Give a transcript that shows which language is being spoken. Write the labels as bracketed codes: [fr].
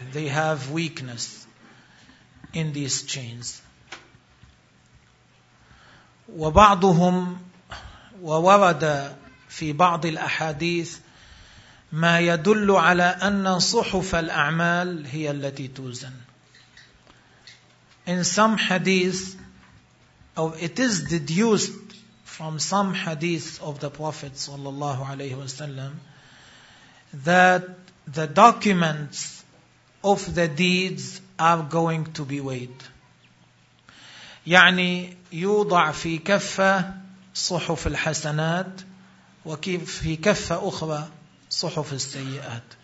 [en] They have weakness in these chains. [ar] وَبَعْضُهُمْ وَوَرَدَ فِي بَعْضِ الْأَحَادِيثِ ما يدل على أن صحف الأعمال هي التي توزن. [en] In some hadith, or it is deduced from some hadith of the Prophet صلى الله عليه وسلم, that the documents of the deeds are going to be weighed. [ar] يعني يوضع في كفة صحف الحسنات وفي كفة أخرى صحف السيئات.